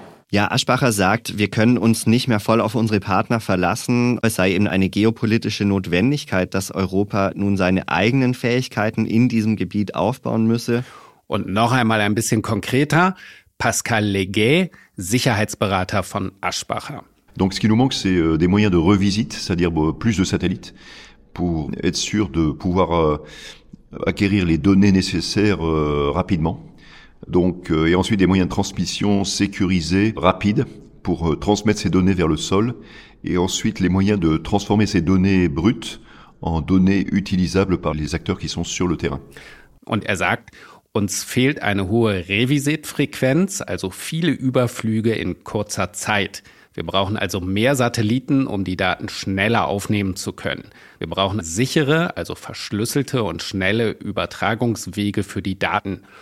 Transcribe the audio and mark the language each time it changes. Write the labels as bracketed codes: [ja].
[de] Ja, Aschbacher sagt, wir können uns nicht mehr voll auf unsere Partner verlassen. Es sei eben eine geopolitische Notwendigkeit, dass Europa nun seine eigenen Fähigkeiten in diesem Gebiet aufbauen müsse. Und noch einmal ein bisschen konkreter, Pascal Leguet, Sicherheitsberater von Aschbacher. [fr] Donc ce qui nous manque, c'est des moyens de revisite, c'est-à-dire plus de satellites, pour être sûr de pouvoir acquérir les données nécessaires rapidement. Donc, et ensuite des moyens de transmission sécurisés, rapides, pour transmettre ces données vers le sol. Et ensuite, les moyens de transformer ces données brutes en données utilisables par les acteurs qui sont sur le terrain. [de] Und er sagt, uns fehlt eine hohe Revisit-Frequenz, also viele Überflüge in kurzer Zeit. Wir brauchen also mehr Satelliten, um die Daten schneller aufnehmen zu können. Wir brauchen sichere, also verschlüsselte und schnelle Übertragungswege für die Daten.